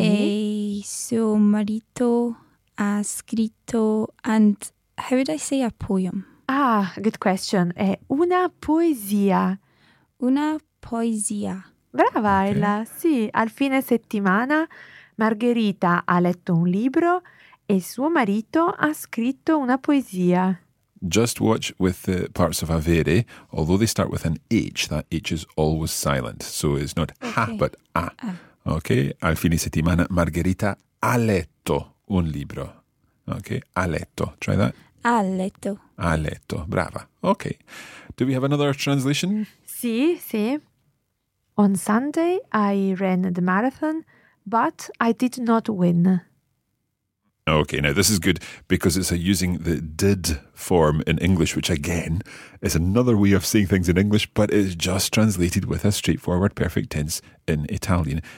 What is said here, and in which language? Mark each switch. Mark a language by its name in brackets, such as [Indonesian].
[Italian] e suo marito ha scritto [English] and how would I say a poem? Ah, good question. [Italian] È una poesia. Una poesia. Brava okay. Ella, sì. Al fine settimana Margherita ha letto un libro e suo marito ha scritto una poesia. [English] Just watch with the parts of avere, although they start with an H, that H is always silent. So it's not okay. ha, but a. [Italian] Okay, al fine settimana Margherita ha letto un libro. [English] Okay, [Italian] ha letto. [English] Try that. [Italian] Ha letto. Ha letto, brava. [English] Okay, do we have another translation? [Italian] Sì, sì. [English] On Sunday, I ran the marathon, but I did not win. Okay, now this is good because it's using the did form in English, which again is another way of saying things in English, but it's just translated with a straightforward perfect tense in Italian.